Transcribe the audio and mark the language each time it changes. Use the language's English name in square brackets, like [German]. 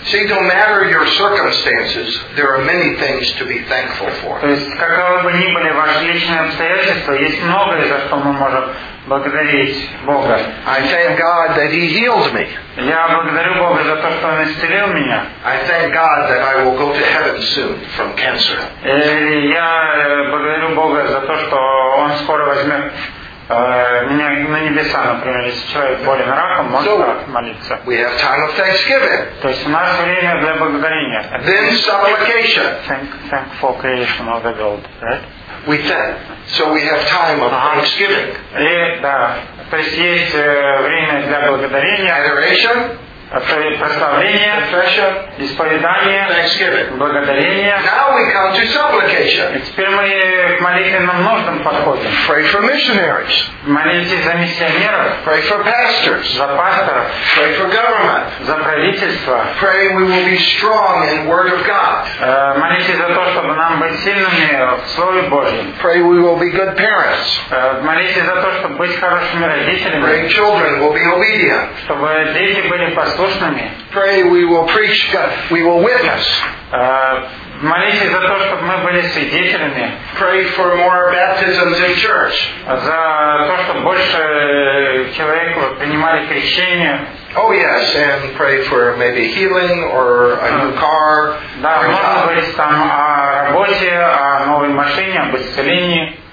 [English] See, no matter your circumstances, there are many things to be thankful for. [Russian] То есть, каковы бы ни были ваши личные обстоятельства, есть многое, за что мы можем благодарить Бога. [English] I thank God that He healed me. [Russian] Я благодарю Бога за то, что Он исцелил меня. [English] I thank God that I will go to heaven soon from cancer. [Russian] Я благодарю Бога за то, что Он скоро возьмет меня на небеса, например, если человек болен раком, может молиться. [English] We have time of thanksgiving. [Russian] То есть у нас время для благодарения. [English] Then supplication. Thank for creation of the world, right? We thank. So we have time of thanksgiving. [Russian] И, да. То есть есть время для благодарения. [English] Adoration. [Russian] Прославление, исповедание, благодарение. [English] Now we come to supplication. [Russian] И теперь мы к молитвенным нуждам подходим. [English] Pray for missionaries. [Russian] Молитесь за миссионеров. [English] Pray for pastors. [Russian] За пасторов. [English] Pray for government. [Russian] За правительство. [English] Pray we will be strong in word of God. [Russian] Молитесь за то, чтобы нам быть сильными в Слове Божьем. [English] Pray we will be good parents. [Russian] Молитесь за то, чтобы быть хорошими родителями. [English] Pray children will be obedient. [Russian] Чтобы дети были послушными. [English] Pray we will preach God. We will witness. [Russian] Молитесь за то, чтобы мы были свидетелями. [English] Pray for more baptisms in church. [Russian] За то, чтобы больше человек принимали крещение. [English] Oh yes, and pray for maybe healing or a new car. [Russian] Да, можно говорить там о работе, о новой машине, об исцелении.